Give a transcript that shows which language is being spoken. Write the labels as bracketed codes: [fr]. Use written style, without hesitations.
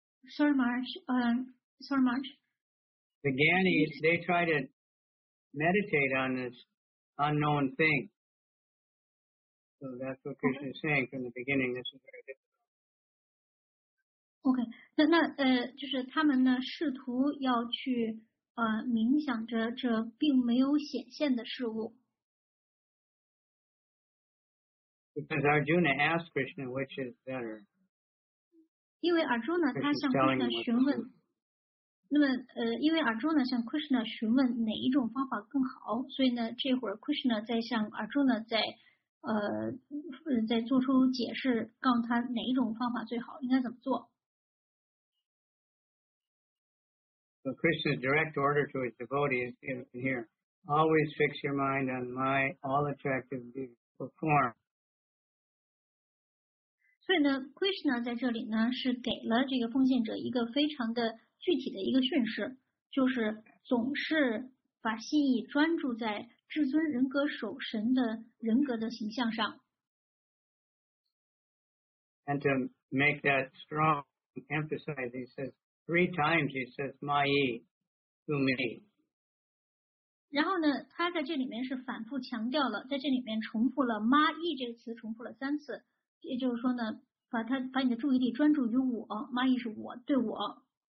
[en] Sorry, Marge. The Gyanis, they try to meditate on this unknown thing. So that's what Krishna is saying from the beginning. This is very difficult. Okay. [zh] 那就是他们呢试图要去冥想着这并没有显现的事物。 [en] Because Arjuna asked Krishna which is better. [zh] 因为 Arjuna 他向 Krishna 询问，那么因为 Arjuna 向 Krishna 询问哪一种方法更好，所以呢这会儿 Krishna 在向 Arjuna 在做出解释，告诉他哪一种方法最好，应该怎么做。 [en] So Krishna's direct order to his devotee is given here. Always fix your mind on my all-attractive beautiful form. [zh] 所以呢 ，Krishna 在这里呢是给了这个奉献者一个非常的具体的一个训示，就是总是把心意专注在至尊人格守神的人格的形象上。 [en] And to make that strong, emphasize, he says. Three times he says, Mayi, to me. [zh] 然后呢他在这里面是反复强调了，在这里面重复了 Mayi 这个词重复了三次，也就是说呢把你的注意力专注于我， Mayi 是我，对我。